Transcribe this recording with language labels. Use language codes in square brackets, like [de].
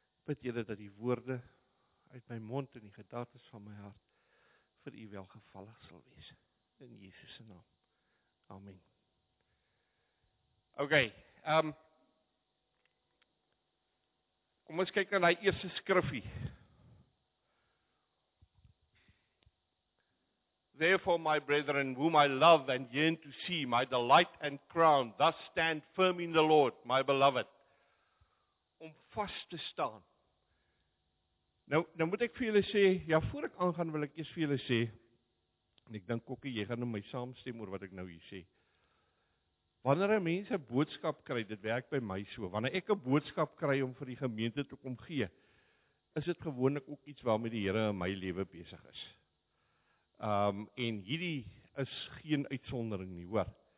[af] Bid Here dat die woorde uit my mond en die gedagtes van my hart vir U welgevallig sal wees. In Jesus se naam. Amen. OK. Kom ons kyk na die eerste skrifgie. [en] Therefore, my brethren, whom I love and yearn to see, my delight and crown, thus stand firm in the Lord, my beloved. [af] Om vas te staan. Nou moet ek vir julle sê, ja, voor ek aangaan wil ek eers vir julle sê, en ek dink Kokkie, jy gaan nou my saamstem oor wat ek nou hier sê. Wanneer 'n mens 'n boodskap kry, dit werk by my so, wanneer ek 'n boodskap kry om vir die gemeente te kom gee, is dit gewoonlik ook iets waarmee die Here in my lewe besig is. En hierdie is geen uitsondering nie, hoor.